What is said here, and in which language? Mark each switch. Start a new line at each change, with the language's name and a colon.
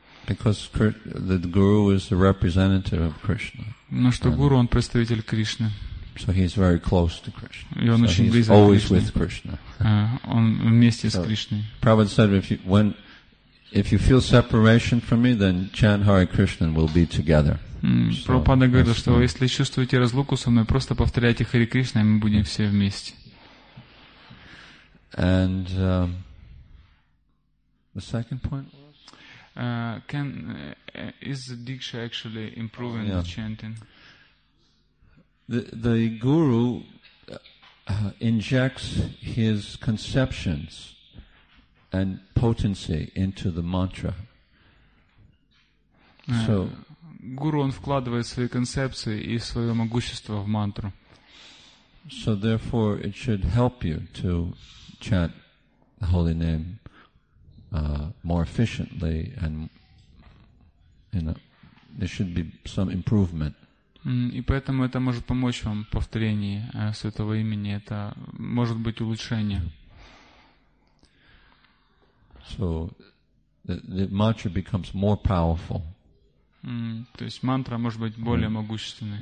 English: Because the guru is the representative of Krishna.
Russian: Ну что, гуру, он представитель Кришны.
English: So he's very close to Krishna.
Russian: И он so очень близок к
English: Кришне. Always with Krishna.
Russian: Он вместе so, с Кришной.
English: Prabhupada said, if you feel separation from me, then chant Hare Krishna will be together.
Russian: Прабхупада говорит, что если чувствуете разлуку со мной, просто повторяйте Хари Кришна, и мы будем все вместе.
English: And the second point was is the diksha actually improving the chanting? The guru injects his conceptions and potency into the mantra.
Russian: So Гуру, он вкладывает свои концепции и свое могущество в мантру.
English: So therefore it should help you to chant the holy name more efficiently, and you know, there should be some improvement.
Russian: И поэтому это может помочь вам в повторении святого имени. Это может быть улучшение.
English: So the mantra becomes more powerful.
Russian: То есть мантра может быть более могущественной.